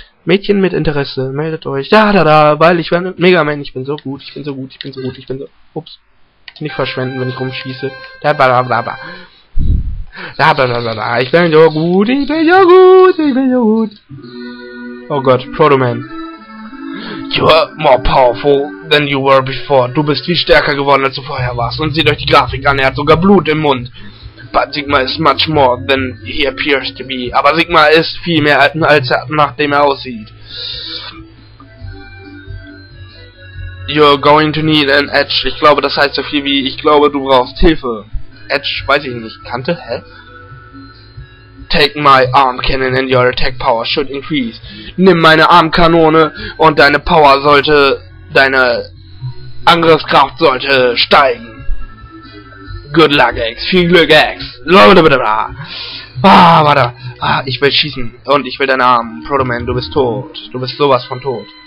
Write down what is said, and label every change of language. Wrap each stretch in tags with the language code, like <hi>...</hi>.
<de>Mädchen mit Interesse, meldet euch. Da, da, da, weil ich bin Mega Man. Ich bin so gut, ich bin so gut, ich bin so gut, ich bin so. Ups. Nicht verschwenden, wenn ich rumschieße. Da, da, da, da, da. Da, da, da, da, da. Ich bin so gut, ich bin so gut, ich bin so gut. Oh Gott, Proto Man.</de> <en>You are more powerful than you were before.</en> <de>Du bist viel stärker geworden, als du vorher warst. Und seht euch die Grafik an, er hat sogar Blut im Mund.</de> <en>But Sigma is much more than he appears to be.</en> <de>Aber Sigma ist viel mehr, als er nachdem er aussieht.</de> <en>You're going to need an Edge.</en> <de>Ich glaube, das heißt so viel wie, ich glaube, du brauchst Hilfe. Edge, weiß ich nicht. Kante? Hä?</de> <en>Take my arm cannon and your attack power should increase.</en> <de>Nimm meine Armkanone und deine Power sollte, deine Angriffskraft sollte steigen.</de> <en>Good luck, Axe.</en> <de>Viel Glück, Axe. Ah, warte. Ah, ich will schießen. Und ich will deinen Arm. Proto Man, du bist tot. Du bist sowas von tot.</de>